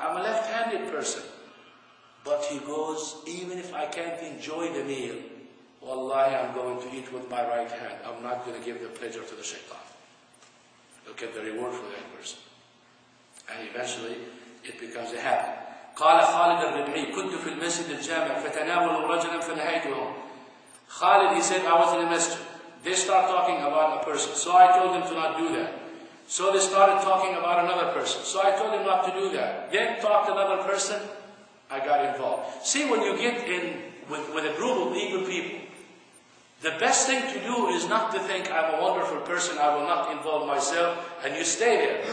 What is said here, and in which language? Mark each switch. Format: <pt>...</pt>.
<en>I'm a left-handed person. But he goes, even if I can't enjoy the meal, wallahi, I'm going to eat with my right hand. I'm not going to give the pleasure to the shaitan. Look at the reward for that person. And eventually, it becomes a habit.</en> <ar>قال خالد الربعي كنت في المسجد الجامع فتناول رجلا فنهيته.</ar> <en>Khalid, he said, I was in the masjid. They start talking about a person. So I told them to not do that. So they started talking about another person. So I told him not to do that. Then talked another person, I got involved. See, when you get in with a group of evil people, the best thing to do is not to think, I'm a wonderful person, I will not involve myself, and you stay there.</en>